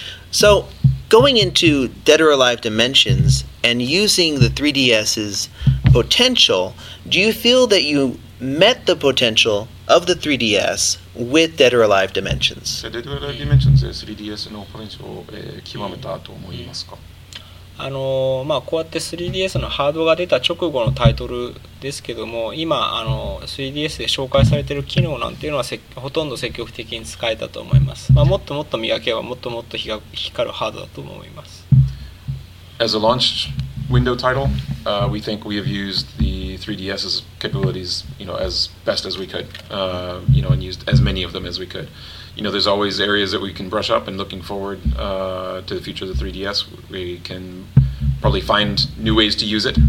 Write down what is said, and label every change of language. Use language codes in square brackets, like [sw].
[en] So, going into Dead or Alive Dimensions and using the 3DS's potential, do you feel that you met the potential of the 3DS with Dead or Alive Dimensions? [ja] Dead or Alive Dimensions で 3DS のポテンシャルを極めたと思いますか？まあ、こうやって 3DS のハードが出た直後のタイトルですけども、今3DS で紹介されている機能なんていうのはほとんど積極的に使えたと思います。まあ、もっともっと磨けばもっともっと光るハードだと思います。 [en] As a launch window title, we think we have used the 3DS's capabilities, you know, as best as we could, you know, and used as many of them as we could. You know, there's always areas that we can brush up, and looking forward to the future of the 3DS, we can probably find new ways to use it.